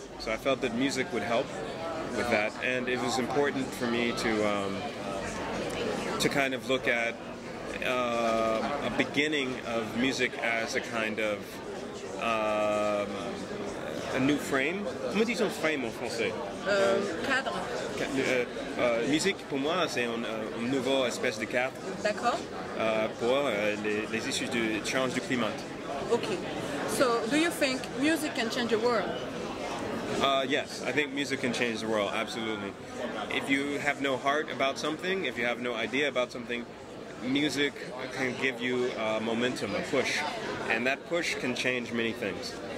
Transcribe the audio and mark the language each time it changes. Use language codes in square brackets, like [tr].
[en] So I felt that music would help with that, and it was important for me to kind of look at a beginning of music as a kind of a new frame. [fr] Comment dit-on frame en français? Cadre. Musique pour moi c'est une nouvelle espèce de carte. D'accord. Pour les issues de change du climat. [en] Okay. So, do you think music can change the world? Yes, I think music can change the world, absolutely. If you have no heart about something, if you have no idea about something, music can give you a momentum, a push, and that push can change many things.